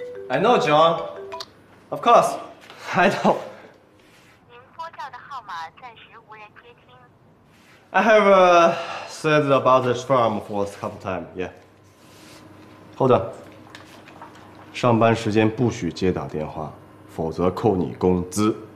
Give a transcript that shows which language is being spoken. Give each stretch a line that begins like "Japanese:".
English: I know, John. Of course, I know.
Chinese: 您拨叫的号码暂时无人接听。
English: I have said about this farm for a couple times. Yeah. Hold on.
Chinese: 上班时间不许接打电话，否则扣你工资。